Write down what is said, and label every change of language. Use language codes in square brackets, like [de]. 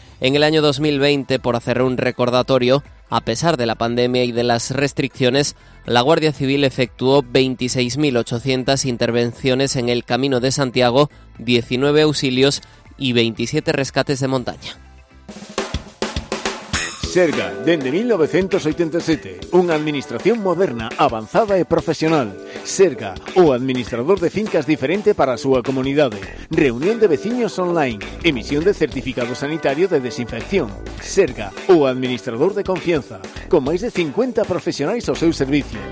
[es] En el año 2020, por hacer un recordatorio, a pesar de la pandemia y de las restricciones, la Guardia Civil efectuó 26.800 intervenciones en el Camino de Santiago, 19 auxilios y 27 rescates de montaña. [gl] Serga, dende 1987, unha administración moderna, avanzada e profesional. Serga, o administrador de fincas diferente para a súa comunidade. Reunión de veciños online, emisión de certificado sanitario de desinfección. Serga, o administrador de confianza, con máis de 50 profesionais ao seu servicio.